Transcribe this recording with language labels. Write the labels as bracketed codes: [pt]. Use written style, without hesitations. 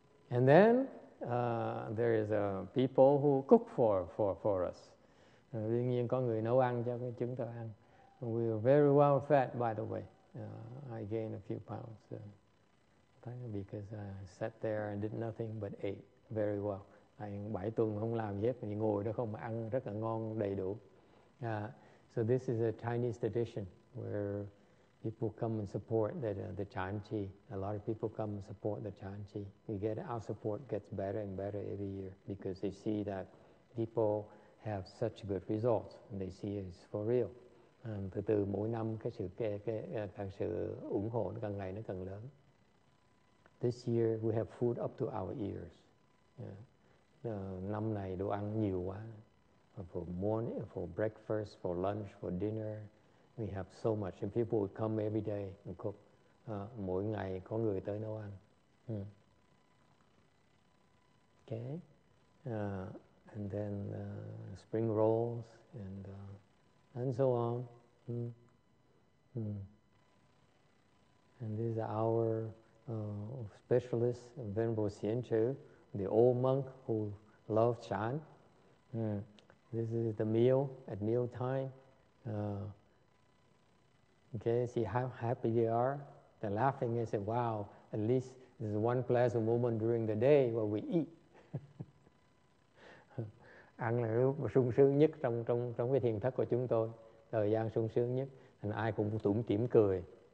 [en] And then there is people who cook for us. [vi] Đương nhiên có người nấu ăn cho chúng tôi ăn. [en] We are very well fed, by the way. I gained a few pounds because I sat there and did nothing but ate very well. [vi] Bảy tuần không làm gì hết, thì ngồi đó không mà ăn rất là ngon, đầy đủ. [en] So this is a Chinese tradition where people come and support the Chan Chi. A lot of people come and support the Chan Chi. We get our support gets better and better every year because they see that people have such good results and they see it's for real. [vi] And từ từ mỗi năm cái sự ủng hộ nó càng ngày nó càng lớn. [en] This year we have food up to our ears. [vi] Năm này đồ ăn nhiều quá. [en] For morning, for breakfast, for lunch, for dinner. We have so much, and people would come every day and cook. [vi] Mỗi ngày có người tới nấu ăn. [en] Okay. And then spring rolls and so on. And this is our specialist, Venerable Xianchu, the old monk who loved Chan. This is the meal at meal time. Okay, see how happy they are. They're laughing and say, wow, at least this is one pleasant moment during the day where we eat. [vi] Ăn là lúc sung sướng nhất trong cái thiền thất của chúng tôi. Thời gian sung sướng nhất. Thành ai cũng tủm tỉm cười.